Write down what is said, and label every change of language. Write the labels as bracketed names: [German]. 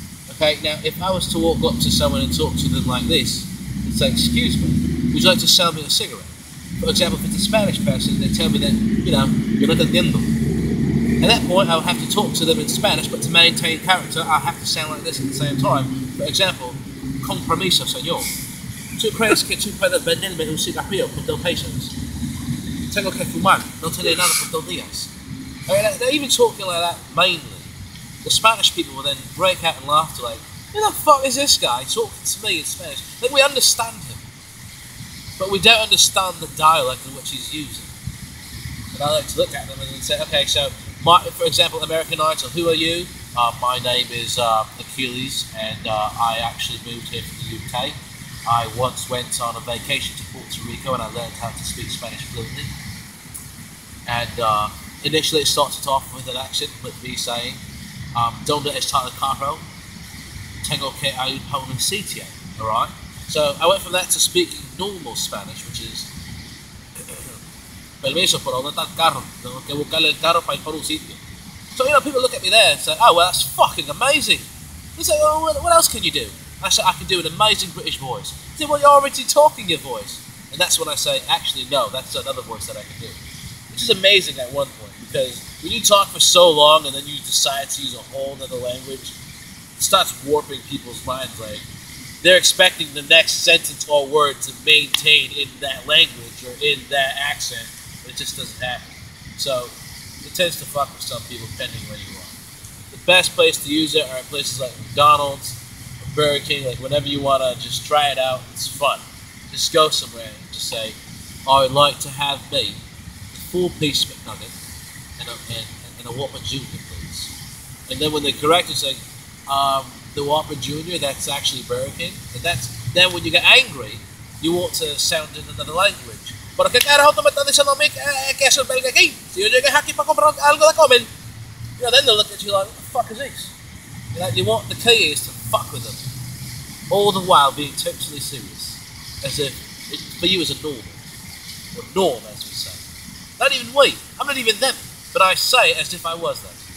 [English] Okay, now if I was to walk up to someone and talk to them like this, and say, excuse me, would you like to sell me a cigarette? For example, if it's a Spanish person, they tell me that, you know, you're not entiendo. At that point, I'll have to talk to them in Spanish, but to maintain character, I'll have to sound like this at the same time. For example, [Spanish] compromiso, señor. Tu crees que tu puedes venderme un cigarrillo por 2 pesos? Tengo que fumar, no tiene nada por 2 días. [English] They're even talking like that, mainly. The Spanish people will then break out in laughter, like, who the fuck is this guy talking to me in Spanish? Like, we understand him, but we don't understand the dialect in which he's using. And I like to look at them and say, okay, so, my, for example, American Idol, who are you? My name is Achilles, and I actually moved here from the UK. I once went on a vacation to Puerto Rico, and I learned how to speak Spanish fluently. And initially, it started off with an accent, with me saying, [Spanish] ¿Dónde está el carro? Tengo que ir por un sitio, [English] all right? So I went from that to speaking normal Spanish, which is, [Spanish] permiso, ¿por dónde está el carro? Tengo que buscarle el carro para ir por un sitio. [English] So, you know, people look at me there and say, oh, well, that's fucking amazing. They say, oh, what else can you do? I said, I can do an amazing British voice. They say, well, you're already talking your voice. And that's when I say, actually, no, that's another voice that I can do. Which is amazing at one point, because when you talk for so long and then you decide to use a whole other language, it starts warping people's minds. Like, they're expecting the next sentence or word to maintain in that language or in that accent, but it just doesn't happen. So it tends to fuck with some people depending where you are. The best place to use it are places like McDonald's or Burger King. Like, whenever you want to just try it out, it's fun. Just go somewhere and just say, I'd like to have me four-piece McNugget and a Whopper Jr., please. And then when the corrector says, the Whopper Jr., that's actually Burger King. And that's, then when you get angry, you want to sound in another language. [Spanish] ¿Por qué carajo tú me estás diciendo a mí que es el Burger King? Si yo llegué aquí para comprar algo de comer. [English] You know, then they'll look at you like, what the fuck is this? You know, you want, the key is to fuck with them. All the while being totally serious. As if, it, for you as a norm. Or norm, as we say. Not even we. I'm not even them. But I say it as if I was them.